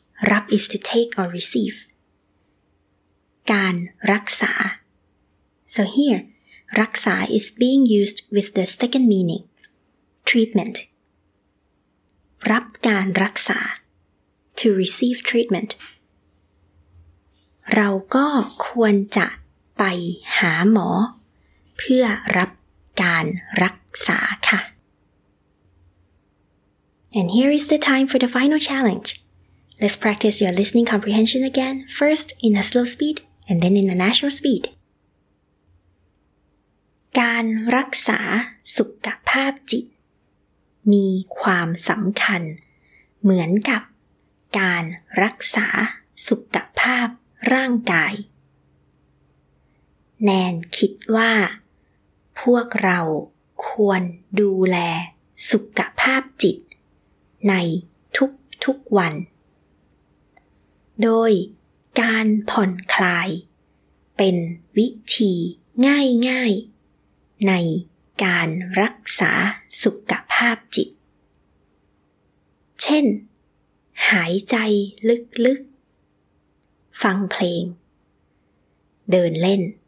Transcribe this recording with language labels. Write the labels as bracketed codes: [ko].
[en] รับ is to take or receive การรักษา So here, รักษา is being used with the second meaning treatment รับการรักษา to receive treatment [th] เราก็ควรจะไปหาหมอเพื่อรับการรักษาค่ะ [en] And here is the time for the final challenge. Let's practice your listening comprehension again, first in a slow speed and then in a natural speed. [th] การรักษาสุขภาพจิตมีความสำคัญเหมือนกับการรักษาสุขภาพร่างกาย แนนคิดว่าพวกเราควรดูแลสุขภาพจิตในทุกวันโดยการผ่อนคลายเป็นวิธีง่ายๆในการรักษาสุขภาพจิตเช่นหายใจลึกๆฟังเพลงเดินเล่น